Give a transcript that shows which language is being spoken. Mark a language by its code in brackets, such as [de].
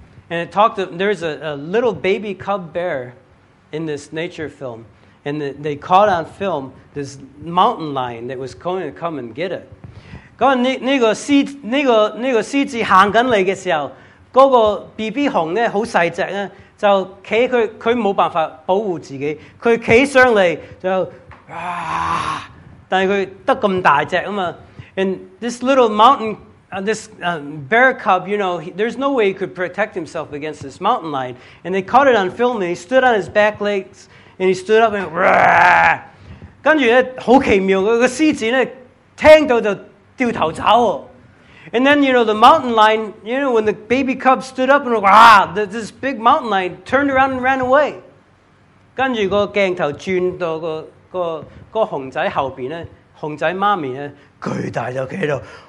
[en] And it talked to, there's a little baby cub bear in this nature film, and they caught on film this mountain lion that was going to come and get it. [yue] 那个狮子行紧嚟嘅时候，那个 BB 熊咧好细只咧，就企佢，佢冇办法保护自己，佢企上嚟就啊，但系佢得咁大只啊嘛。 [en] And this little mountain bear cub, you know, there's no way he could protect himself against this mountain lion. And they caught it on film, and he stood on his back legs, and he stood up and went, [yue] 跟住咧，好奇妙，那个狮子咧听到就掉头走。 [en] And then, you know, the mountain lion, you know, when the baby cub stood up and went, this big mountain lion turned around and ran away. [yue] 跟住个镜头转到个熊仔后边咧，熊仔妈咪咧巨大就企喺度。